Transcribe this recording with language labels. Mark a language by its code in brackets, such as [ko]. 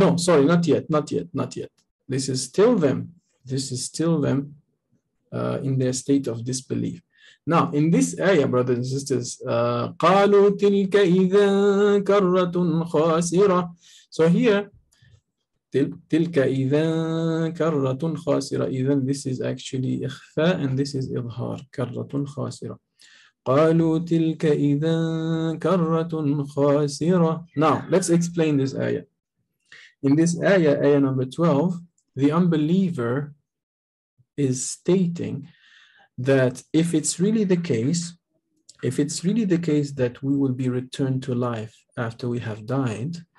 [en] Not yet. This is still them in their state of disbelief. Now, in this ayah, brothers and sisters, [ar] قَالُوا تِلْكَ إِذَا كَرَّةٌ خَاسِرَةٌ. [en] So here, [ar] تِلْكَ إِذَا كَرَّةٌ خَاسِرَةٌ. [en] Even this is actually إِخْفَى and this is إِظْهَار. [ar] كَرَّةٌ خَاسِرَةٌ. قَالُوا تِلْكَ إِذَا كَرَّةٌ خَاسِرَةٌ. [en] Now, let's explain this ayah. In this ayah, ayah number 12, the unbeliever is stating that if it's really the case that we will be returned to life after we have died,